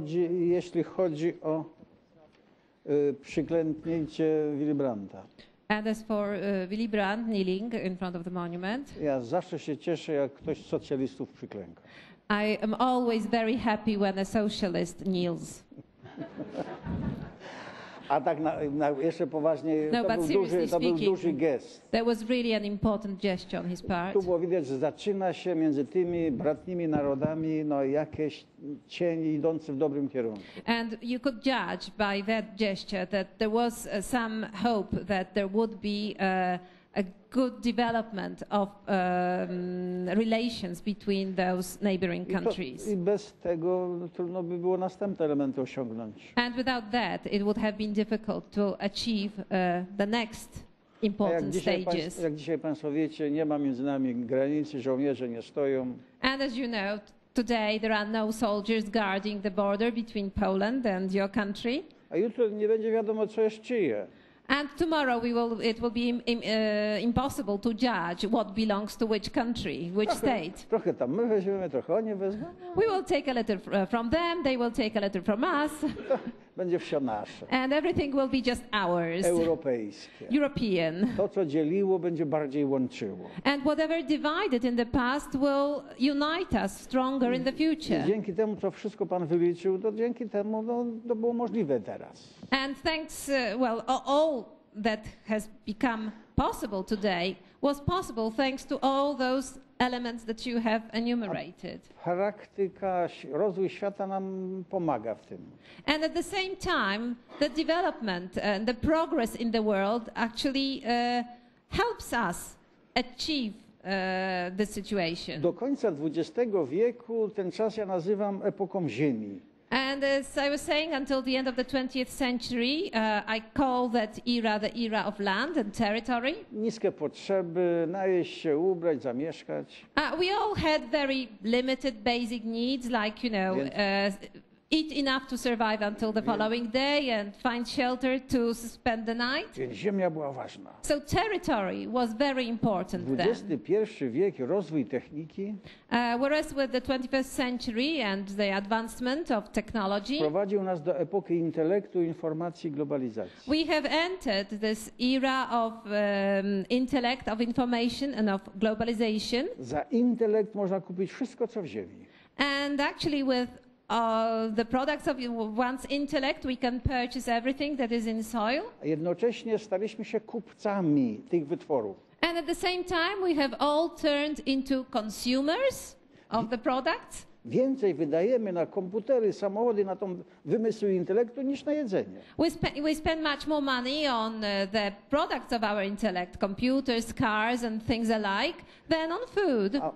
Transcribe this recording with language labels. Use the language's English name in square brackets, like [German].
[Polish] Jeśli chodzi o przyklęknięcie Willy Brandta. [English] And as for Willy Brandt kneeling in front of the monument. [Polish] Ja zawsze się cieszę, jak ktoś z socjalistów przyklęka. [English] I am always very happy when a socialist kneels. [Polish] A tak na jeszcze poważniej, no, to był duży gest. [English] That was really an important gesture on his part. [Polish] Tu było widać, że zaczyna się między tymi bratnimi narodami no jakieś cień idący w dobrym kierunku. [English] And you could judge by that gesture that there was some hope that there would be a good development of relations between those neighboring countries. [Polish] I bez tego trudno by było następne elementy osiągnąć. [English] And without that, it would have been difficult to achieve the next important stages. [Polish] Jak dzisiaj państwo wiecie, nie ma między nami granicy, żołnierze nie stoją. [English] And as you know, Today there are no soldiers guarding the border between Poland and your country. [Polish] A jutro nie będzie wiadomo, co jest czyje. [English] And tomorrow it will be impossible to judge what belongs to which country, which state. [Polish] Trochę tam my weźmiemy, trochę oni wezmą. [English] We will take a letter from them, they will take a letter from us. [Polish] Będzie wszystko nasze. [English] And everything will be just ours. [Polish] Europejskie. [English] European. [Polish] To, co dzieliło, będzie bardziej łączyło. [English] And whatever divided in the past will unite us stronger in the future. [Polish] Dzięki temu, co wszystko Pan wyliczył, to dzięki temu to było możliwe teraz. [English] And thanks, well, all that has become possible today was possible thanks to all those elements that you have enumerated. [Polish] A praktyka, rozwój świata nam pomaga w tym. [English] And at the same time, the development and the progress in the world actually helps us achieve the situation. [Polish] Do końca XX wieku ten czas ja nazywam epoką Ziemi. [English] And as I was saying, until the end of the 20th century, I call that era the era of land and territory. [Polish] Niskie potrzeby, najeść się, ubrać, zamieszkać. [English] We all had very limited basic needs, like, you know, eat enough to survive until the following day and find shelter to spend the night. [Polish] Więc ziemia była ważna. [English] So territory was very important then. [Polish] XXI wiek, rozwój techniki. [English] Whereas with the 21st century and the advancement of technology. [Polish] Prowadził nas do epoki intelektu, informacji, globalizacji. [English] We have entered this era of intellect, of information and of globalization. [Polish] Za intelekt można kupić wszystko, co w ziemi. [English] And actually with the products of one's intellect, we can purchase everything that is in soil. [Polish] A jednocześnie staliśmy się kupcami tych wytworów. [English] And at the same time, we have all turned into consumers of the products. [Polish] Więcej wydajemy na komputery, samochody, na tą wymysły intelektu niż na jedzenie. [English] We spend much more money on the products of our intellect, computers, cars and things alike, than on food.